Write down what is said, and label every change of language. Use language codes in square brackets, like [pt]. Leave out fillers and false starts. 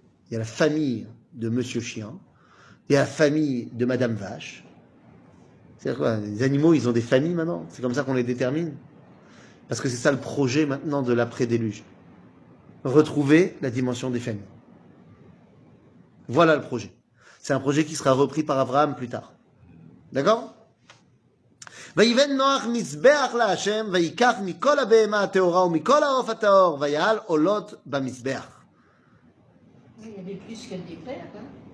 [fr] Il y a la famille de Monsieur Chien, il y a la famille de Madame Vache. C'est-à-dire quoi ? Les animaux, ils ont des familles maintenant ? C'est comme ça qu'on les détermine ? Parce que c'est ça le projet maintenant de l'après-déluge. Retrouver la dimension des familles. Voilà le projet. C'est un projet qui sera repris par Abraham plus tard. D'accord ? [he] ויבן נוח מזבח להשם, ויקח מכל הבהמה הטהורה ומכל העוף הטהור, ויעל עולות במזבח. [fr] Il y avait plus que des pères, hein?